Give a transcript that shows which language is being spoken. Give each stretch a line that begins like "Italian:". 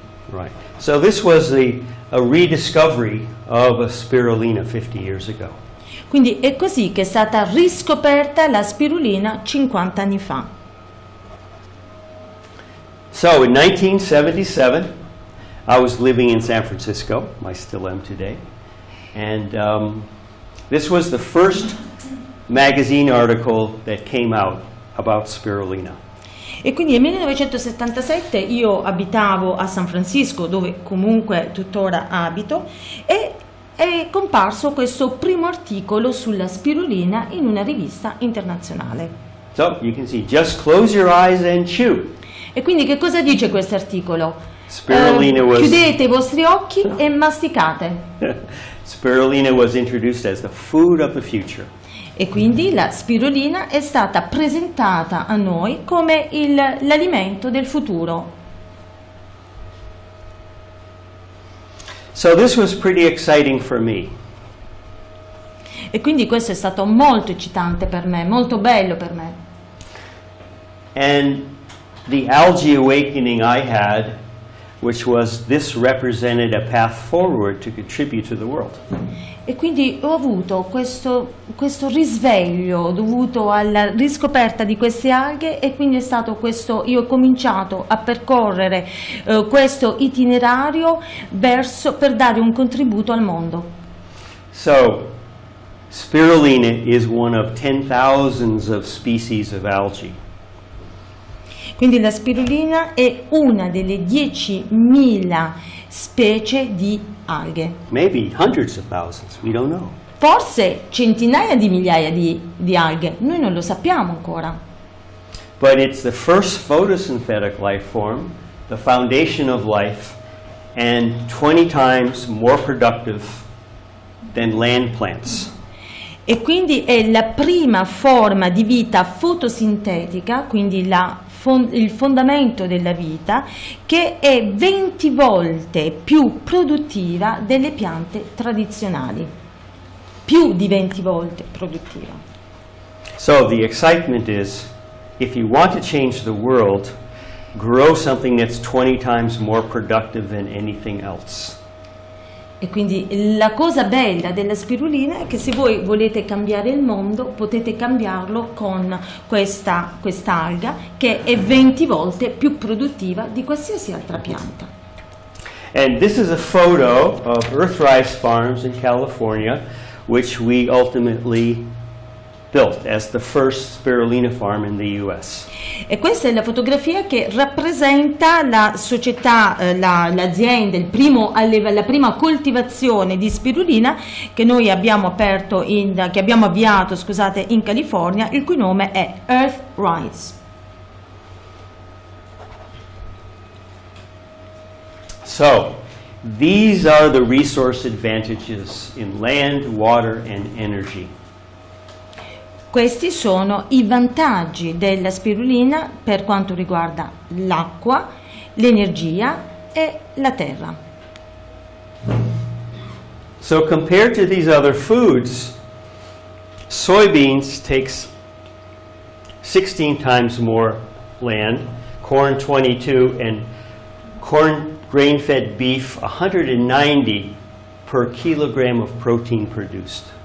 English: Right. So this was a rediscovery of a spirulina 50 years ago.
Italian: Quindi è così che è stata riscoperta la spirulina 50 anni fa.
English: So in 1977 I was living in San Francisco, I still am today, and this was the first magazine article that came out about spirulina.
Italian: E quindi nel 1977 io abitavo a San Francisco, dove comunque tuttora abito, e è comparso questo primo articolo sulla spirulina in una rivista internazionale.
English: So, you can see, just close your eyes and chew.
Italian: E quindi che cosa dice questo articolo?
English: Spirulina was...
Italian: Chiudete i vostri occhi e masticate.
English: Spirulina was introduced as the food of the future.
Italian: E quindi la spirulina è stata presentata a noi come l'alimento del futuro.
English: So this was pretty exciting for me.
Italian: E quindi questo è stato molto eccitante per me, molto bello per me.
English: And the algae awakening I had, which was this represented a path forward to contribute to the world.
Italian: E quindi ho avuto questo risveglio dovuto alla riscoperta di queste alghe e quindi è stato questo, io ho cominciato a percorrere questo itinerario verso per dare un contributo al mondo.
English: So, spirulina is one of 10,000 of species of algae.
Italian: Quindi la spirulina è una delle 10,000 specie di alghe.
English: Maybe hundreds of thousands, we don't know.
Italian: Forse centinaia di migliaia di alghe, noi non lo sappiamo ancora.
English: But it's the first photosynthetic life form, the foundation of life, and 20 times more productive than land plants.
Italian: E quindi è la prima forma di vita fotosintetica, quindi il fondamento della vita, che è 20 volte più produttiva delle piante tradizionali. Più di 20 volte produttiva.
English: So the excitement is, if you want to change the world, grow something that's 20 times more productive than anything else.
Italian: E quindi la cosa bella della spirulina è che se voi volete cambiare il mondo, potete cambiarlo con questa alga che è 20 volte più produttiva di qualsiasi altra pianta.
English: And this is a photo of Earthrise Farms in California, which we ultimately built as the first spirulina farm in the US.
Italian: E questa è la fotografia che rappresenta la società, l'azienda, la prima coltivazione di spirulina che noi abbiamo aperto che abbiamo avviato in California, il cui nome è Earthrise.
English: So, these are the resource advantages in land, water and energy.
Italian: Questi sono i vantaggi della spirulina per quanto riguarda l'acqua, l'energia e la terra.
English: So compared to these other foods, soybeans takes 16 times more land, corn 22 and corn grain-fed beef 190 per kilogram of protein produced.